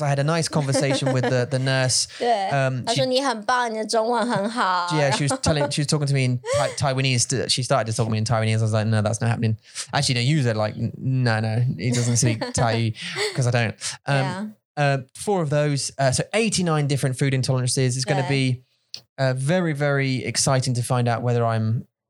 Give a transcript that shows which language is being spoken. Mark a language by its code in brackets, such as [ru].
[en] I had a nice conversation with the nurse. [zh] 她说你很棒,你的中文很好。 [en] Yeah, she was talking to me in Taiwanese. She started to talk to me in Taiwanese. I was like, no, that's not happening. Actually, no, you said like, no, he doesn't speak Thai because I don't. Four of those. So 89 different food intolerances. It's going to be... very, very exciting to find out whether I'm...